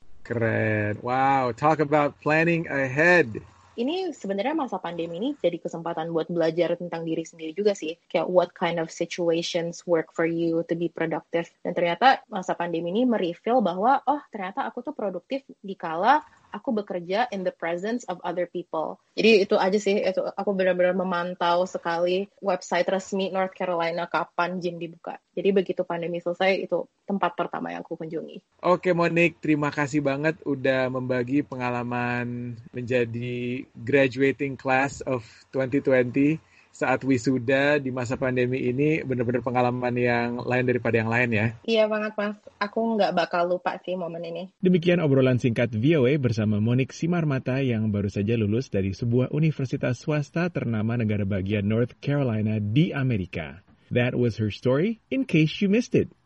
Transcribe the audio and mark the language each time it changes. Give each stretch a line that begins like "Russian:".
English: Keren, wow, talk about planning ahead.
Indonesian: Ini sebenarnya masa pandemi ini jadi kesempatan buat belajar tentang diri sendiri juga sih.
English: Kayak what kind of situations work for you to be productive.
Indonesian: Dan ternyata masa pandemi ini mereveal bahwa, oh ternyata aku tuh produktif dikala aku bekerja
English: in the presence of other people.
Indonesian: Jadi itu aja sih, itu aku benar-benar memantau sekali website resmi North Carolina kapan gym dibuka. Jadi begitu pandemi selesai, itu tempat pertama yang aku kunjungi. Oke, Monique, terima kasih banget udah membagi pengalaman menjadi
English: graduating class of 2020
Indonesian: saat wisuda di masa pandemi ini. Benar-benar pengalaman yang lain daripada yang lain ya. Iya banget, Mas. Aku nggak bakal lupa sih momen ini. Demikian obrolan singkat VOA bersama Monique Simarmata yang baru saja lulus dari sebuah universitas swasta ternama negara bagian North Carolina di Amerika.
English: That was her story, in case you missed it.